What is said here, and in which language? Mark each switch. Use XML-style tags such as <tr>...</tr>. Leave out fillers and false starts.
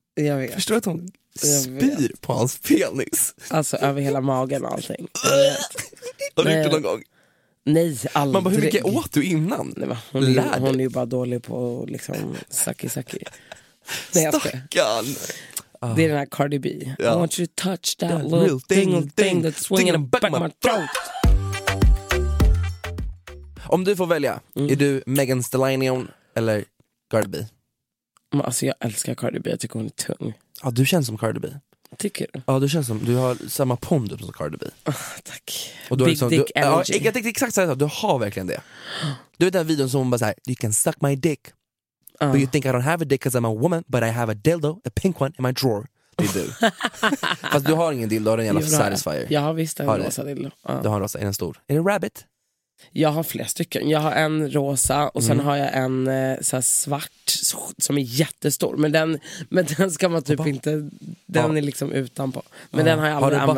<sv>Jag vet. Förstår du att hon spyr på hans penis? Alltså över hela magen och allting. Har du gjort det någon gång? Nej, aldrig. Man bara, hur mycket åt du innan? Nej, hon är ju bara dålig på liksom saki. Stackarn! Det är den här Cardi B. Yeah.</sv> <en>I want you to touch that little thing that's swinging back my throat.</en> <sv>Om du får välja, är du Megan Stallion eller Cardi B? Alltså jag älskar Cardi B, jag tycker hon är tung. Ja, du känns som Cardi B. Tycker du? Ja, du känns som, du har samma pondus som Cardi B. Tack. Och du Big liksom, dick du,</sv> <en>energy.</en> <sv>Ja, jag tänkte exakt såhär, du har verkligen det. Du vet den här videon som hon bara säger,</sv> <en>you can suck my dick. But you think I don't have a dick because I'm a woman, but I have a dildo, a pink one in my drawer.</en> <sv>Det är du. Fast du har ingen dildo, den jävla Satisfyer. Jag har visst en rosa dildo. Du har en rosa, är den stor? Är det Rabbit? Jag har flera stycken. Jag har en rosa och sen har jag en så här svart som är jättestor. Men den ska man typ inte... Den är liksom utanpå. Men den har jag aldrig använt.</sv>